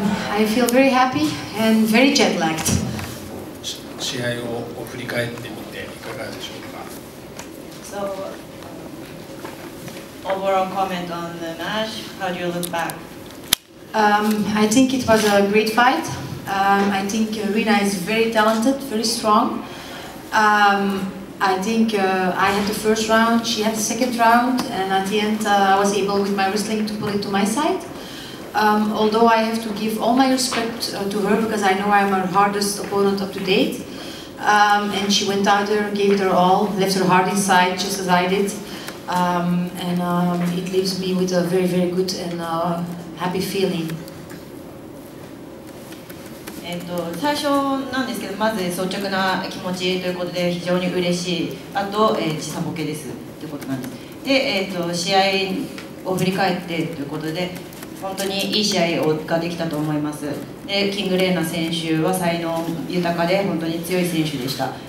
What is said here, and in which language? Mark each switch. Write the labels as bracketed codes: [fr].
[en] I feel very happy and very jet lagged. [ja] 試合を振り返ってみていかがでしょうか。 [en] So, overall comment on the match. How do you look back? I think it was a great fight. I think Rina is very talented, very strong. I think I had the first round, she had the second round, and at the end I was able with my wrestling to pull it to my side. Although I have to give all my respect to her because I know I'm her hardest opponent up to date. And she went out there, gave it her all, left her heart inside just as I did. And it leaves me with a very, very good and happy feeling. [ja] 最初なんですけど、まず率直な気持ちということで非常に嬉しい、あと、時差ボケですということなんです。で、試合を振り返ってということで、本当にいい試合ができたと思います。で、キング・レーナ選手は才能豊かで、本当に強い選手でした。